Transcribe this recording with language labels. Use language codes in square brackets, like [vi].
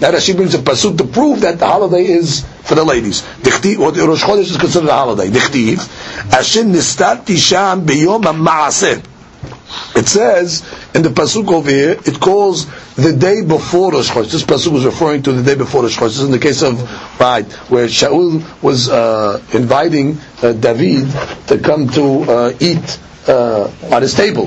[en] That Hashem brings a pasuk to prove that the holiday is for the ladies. דכתיב, ראש חודש is considered a holiday. [he] דכתיב, אשר נסתרתי שם ביום המעשה. [en] It says in the pasuk over here, it calls the day before Rosh Chodesh. This pasuk was referring to the day before Rosh Chodesh. This is in the case of right where Shaul was inviting David to come to eat on his table.